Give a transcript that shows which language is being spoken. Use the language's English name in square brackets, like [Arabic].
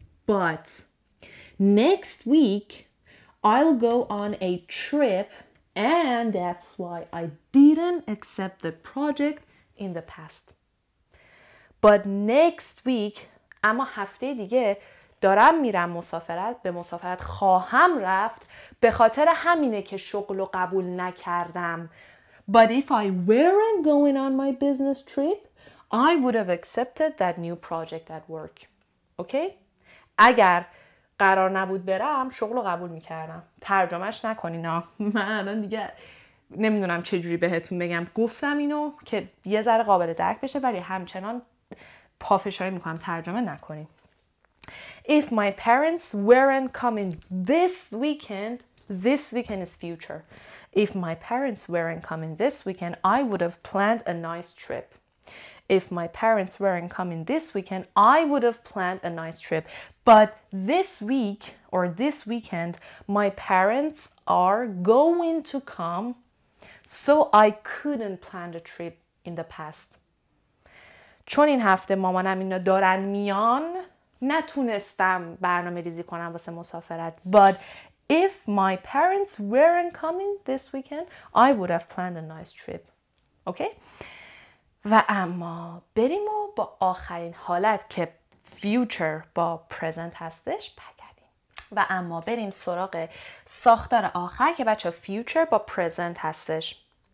[English] But next week I'll go on a trip, and that's why I didn't accept the project in the past. But next week, [Persian] اما هفته دیگه دارم میرم مسافرت، به مسافرت خواهم رفت، به خاطر همینه که شغل رو قبول نکردم. [English] But if I weren't going on my business trip, I would have accepted that new project at work. Okay? [Persian] اگر قرار نبود برم شغل رو قبول میکردم. ترجمهش نکنین ها. من الان دیگه نمیدونم چجوری بهتون بگم. گفتم اینو که یه ذره قابل درک بشه، ولی همچنان پافشاری میکنم ترجمه نکنین. [English] If my parents weren't coming this weekend is future. If my parents weren't coming this weekend, I would have planned a nice trip. If my parents weren't coming this weekend, I would have planned a nice trip. But this week or this weekend, my parents are going to come, so I couldn't plan the trip in the past. [Persian] چون این هفته مامانم اینا دارن میان، نتونستم برنامه ریزی کنم واسه مسافرت. [English] But if my parents weren't coming this weekend, I would have planned a nice trip. Okay? [Persian] و اما بریم و با آخرین حالت که future با present هستش پکردیم. و اما بریم سراغ ساختار آخر که بچه future با present هستش.